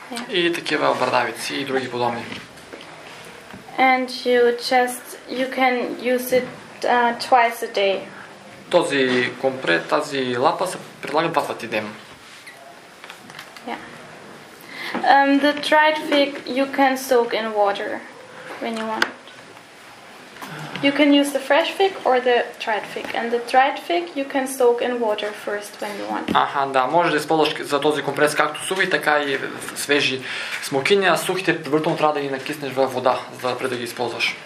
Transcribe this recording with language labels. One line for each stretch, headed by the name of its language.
Bulgarian: И такива бърдавици и други подобни.
English: And you can use it twice a day.
Bulgarian: Този компрет, тази лапа се предлага два пъти ден. Yeah.
English: The dried fig you can soak in water when you want. You can use the fresh fig or the dried fig. And the dried fig you can soak in water first when you want.
Bulgarian: Аха, да, можеш да използваш за този компрес както сухи, така и свежи смокини, а сухите предварително трябва да ги накиснеш във вода, за да преди да ги използваш.